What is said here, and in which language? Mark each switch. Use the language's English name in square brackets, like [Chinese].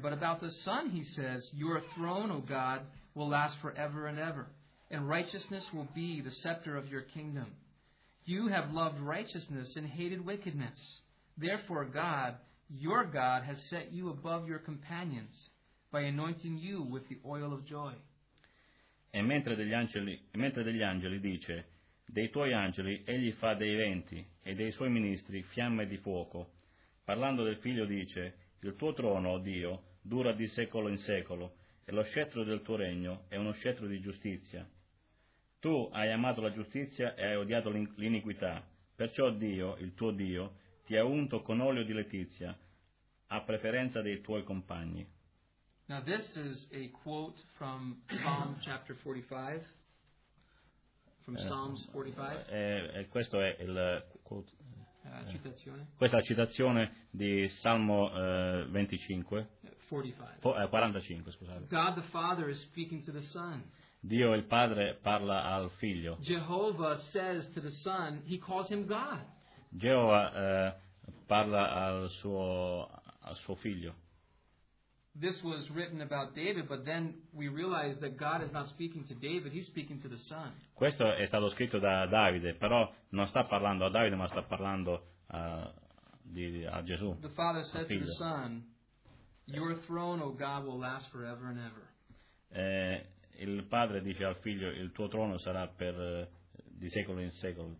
[English] But about the Son, he says, "Your throne, O God, will last forever and ever. And righteousness will be the scepter of your kingdom. You have loved righteousness and hated wickedness. Therefore God, your God, has set you above your companions by anointing you with the oil of joy." [Italian] E mentre degli angeli dice, dei tuoi angeli egli fa dei venti e dei suoi ministri fiamme di fuoco. Parlando del figlio dice, il tuo trono, o Dio, dura di secolo in secolo e lo scettro del tuo regno è uno scettro di giustizia. Tu hai amato la giustizia e hai odiato l'iniquità, perciò Dio, il tuo Dio, ti ha unto con olio di letizia, a preferenza dei tuoi compagni. [English] Now this is a quote from Psalm chapter 45, from Psalms 45. [Italian] Questo è il quote. Citazione. Questa è la citazione di Salmo 25. 45. 45, scusate. [English] God the Father is speaking to the Son. [Italian] Dio il Padre parla al Figlio. [English] Jehovah says to the Son, he calls him God. [Italian] Jehovah parla al suo Figlio. [English] This was written about David, but then we realize that God is not speaking to David, he's speaking to the Son. [Italian] Questo è stato scritto da Davide, però non sta parlando a Davide, ma sta parlando a Gesù. [English] The Father said to the Son, "Your throne, O God, will last forever and ever." [Italian] Il padre dice al figlio, il tuo trono sarà per di secolo in secolo.